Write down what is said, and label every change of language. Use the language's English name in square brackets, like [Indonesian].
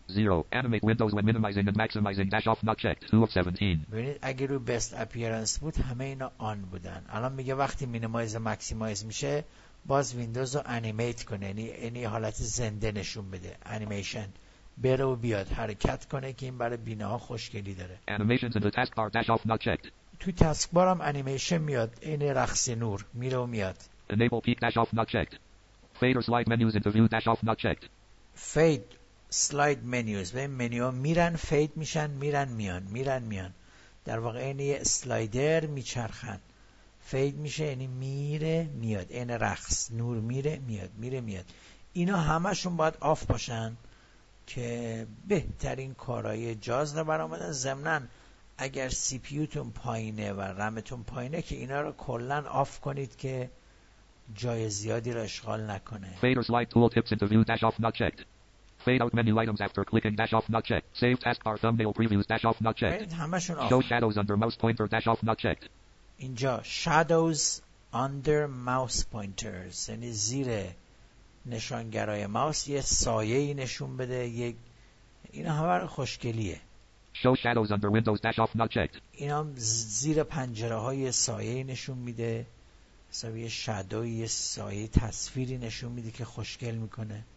[English] 0 animate windows when minimizing and maximizing dash off not checked. 2 of 17. [Persian] ببینید اگه روی best appearance بود همه اینا آن بودن. الان میگه وقتی minimize و maximize میشه باز ویندوز رو animate کنه، یعنی اینی حالت زنده نشون بده، animation بره و بیاد حرکت کنه که این برای بینا ها خوشگلی داره. [English] animations in the taskbar dash off not checked. [Persian] توی taskbar هم animation میاد، این رقص نور میره و میاد. [English] enable peak dash off not checked. Fade or slide menus into view dash off not checked. Fade, slide menus. [Persian] به این منیو میرن fade میشن، میرن میان، میرن میان. در واقع این یه سلایدر میچرخن. Fade میشه یعنی میره میاد. این رقص نور میره میاد، میره میاد. اینا همه شون باید آف باشن که بهترین کارهای جاز رو برامدن. ضمناً اگر CPUتون پایینه و رمتون پایینه که اینا رو کلن آف کنید که جای زیادی را اشغال نکنه. [English] Fade or slide tool tips into view dash off not checked. Fade out menu items after clicking dash off not checked. Save taskbar thumbnail previews dash off not checked. [Persian] همشون آف. [English] Show shadows under mouse pointer dash off not checked. [Persian] اینجا [English] shadows under mouse pointers [Persian] یعنی زیر نشانگرای ماوس یه سایه ای نشون بده، یک اینا همه را خوشگلیه. [English] Show shadows under windows dash off not checked. [Persian] اینا هم زیر پنجره های سایه ای نشون میده، مثلا یه شادو یه سایه تصویری نشون میده که خوشگل میکنه.